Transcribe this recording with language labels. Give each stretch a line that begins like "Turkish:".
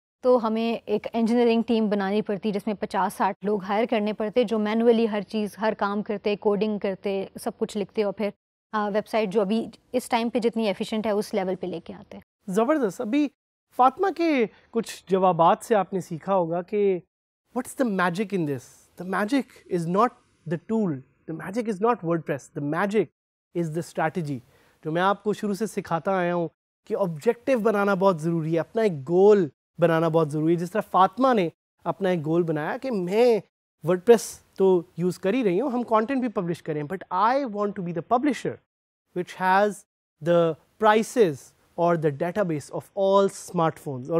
Urdu: تو ہمیں ایک انجینئرنگ ٹیم بنانی پڑتی جس میں 50-60 لوگ ہائر کرنے پڑتے جو مینولی ہر چیز ہر کام کرتے, کوڈنگ کرتے, سب کچھ لکھتے, اور پھر ویب سائٹ جو ابھی اس ٹائم پہ جتنی ایفیشینٹ ہے اس لیول پہ لے کے آتے. زبردست. ابھی فاطمہ کے کچھ جوابات سے آپ نے سیکھا ہوگا کہ
English: What is the magic in this. The magic is not the tool, the magic is not WordPress, the magic is the strategy.
Urdu: جو میں آپ کو شروع سے سکھاتا آیا ہوں کہ آبجیکٹیو بنانا بہت ضروری ہے, اپنا ایک گول بنانا بہت ضروری ہے. جس طرح فاطمہ نے اپنا ایک گول بنایا کہ میں ورڈ پریس تو یوز کر ہی رہی ہوں, ہم کانٹینٹ بھی پبلش کریں,
English: but I want to be the publisher which has the prices
Urdu: اور
English: The database of all smartphones.